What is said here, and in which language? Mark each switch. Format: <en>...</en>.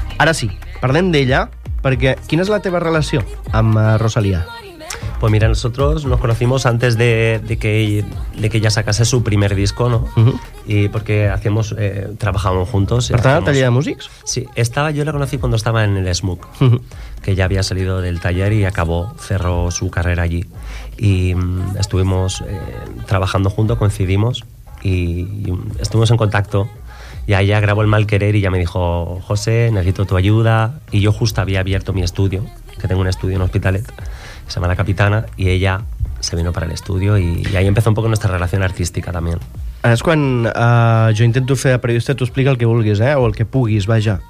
<ca>Ara sí, parlem d'ella, perquè quina és la teva relació amb Rosalía?</ca> <es>Pues mira, nosotros nos conocimos antes de que ella sacase su primer disco, ¿no? Y porque trabajábamos juntos. ¿Estaba en el taller de músics? Sí, yo la conocí cuando estaba en el SMUC, que ya había salido del taller y cerró su carrera allí. Y estuvimos trabajando juntos, coincidimos y estuvimos en contacto. Y ella grabó El Mal Querer y ya me dijo: José, necesito tu ayuda. Y yo justo había abierto mi estudio, que tengo un estudio en Hospitalet, se llama La Capitana, y ella se vino para el estudio y ahí empezó un poco nuestra relación artística también.</es> <ca>És quan jo intento fer de periodista, t'ho explica el que vulguis, o el que puguis, vaja.</ca>